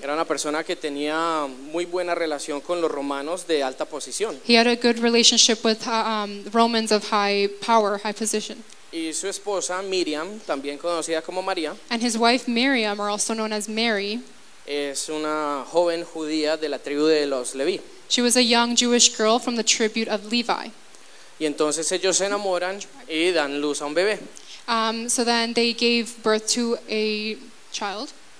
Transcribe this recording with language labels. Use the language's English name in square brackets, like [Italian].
[Spanish] Era una persona que tenía muy buena relación con los romanos de alta posición. [English] He had a good relationship with Romans of high power, high position. [Spanish] Y su esposa Miriam, también conocida como María. [English] And his wife Miriam, or also known as Mary. [Spanish] Es una joven judía de la tribu de los Leví. [English] She was a young Jewish girl from the tribute of Levi. [Spanish] Y entonces ellos se enamoran y dan luz a un bebé. [English] So then they gave birth to a child.